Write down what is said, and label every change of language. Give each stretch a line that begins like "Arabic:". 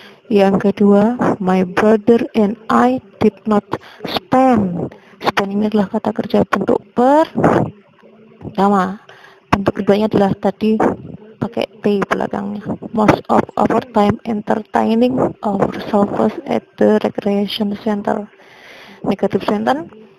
Indonesian: Yang kedua,
English: my brother and I did not spend.
Indonesian: Spend ini adalah kata kerja bentuk pertama. Bentuk keduanya adalah tadi pakai T belakangnya.
English: Most of our time entertaining ourselves at the recreation center. Negative sentence.